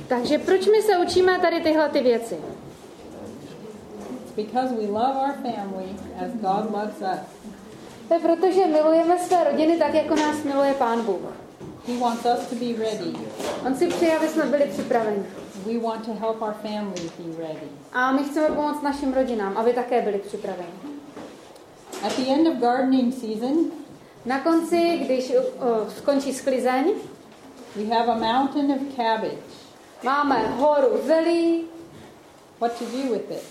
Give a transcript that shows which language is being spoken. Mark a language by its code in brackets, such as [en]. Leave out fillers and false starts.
[cs] Takže proč my se učíme tady tyhle ty věci? [en] Because we love our family as God loves us. [cs] To je proto, že milujeme své rodiny tak, jako nás miluje Pán Bůh. [en] He wants us to be ready. [cs] On si přeje, aby jsme byli připraveni. [en] We want to help our family be ready. [cs] A my chceme pomoct našim rodinám, aby také byli připraveni. [en] At the end of gardening season, [cs] na konci, když skončí sklizeň, [en] we have a mountain of cabbage. [cs] Máme horu zelí. [en] What to do with it?